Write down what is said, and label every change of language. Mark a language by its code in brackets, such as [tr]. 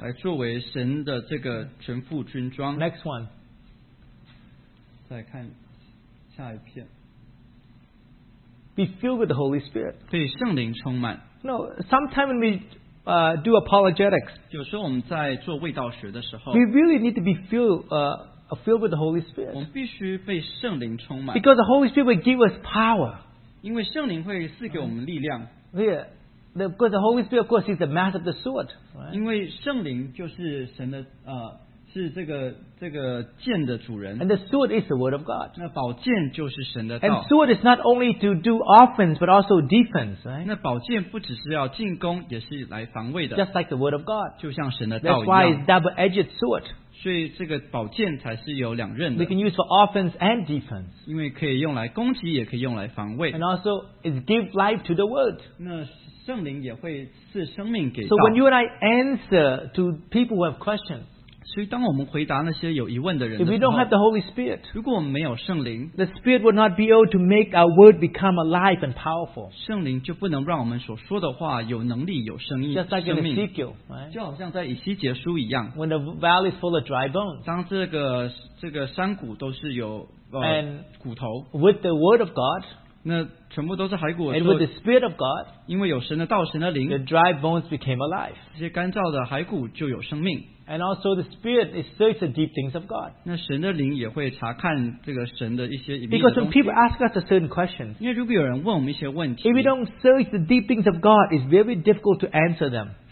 [zh] 来作为神的这个全副军装. [en] Next one. [zh] 再看下一片. [en] Be filled with the Holy Spirit. [zh] 被圣灵充满. [en] No, sometimes when we do apologetics, [zh] 有时候我们在做卫道学的时候, [en] we really need to be filled with the Holy Spirit. [zh] 我们必须被圣灵充满, [en] because the Holy Spirit will give us power. [zh] 因为圣灵会赐给我们力量. [en] Yeah, because the Holy Spirit, of course, is the master of the sword. Right? [zh] 因为圣灵就是神的, 是这个剑的主人. [en] And the sword is the word of God. [zh] 那宝剑就是神的道. [en] And sword is not only to do offense but also defense, right? [zh] 那宝剑不只是要进攻, 也是来防卫的. [en] Just like the word of God. [zh] 就像神的道一样. [en] That's why it's double-edged sword. [zh] 所以这个宝剑才是有两刃的. [en] We can use for offense and defense. [zh] 因为可以用来攻击, 也可以用来防卫. [en] And also it gives life to the word. [zh] 那圣灵也会赐生命给道. [en] So when you and I answer to people who have questions, [zh] 所以当我们回答那些有疑问的人的时候, [en] if we don't have the Holy Spirit, [zh] 如果我们没有圣灵, [en] the Spirit will not be able to make our word become alive and powerful. [zh] 圣灵就不能让我们所说的话有能力, 有生命, [en] just like in Ezekiel, right? [zh] 就好像在以西结书一样, [en] when the valley is full of dry bones, [zh] 当这个山谷都是有, [en] and [zh] 骨头, [en] with the word of God, [zh] 那全部都是骸骨, [en] and with the Spirit of God, [zh] 因为有神的道, 神的灵, [en] the dry bones became alive. [zh] 这些干燥的骸骨就有生命. [en] And also the Spirit is searching the deep things of God. Because when people ask us a certain question, if we don't search the deep things of God, it's very difficult to answer them.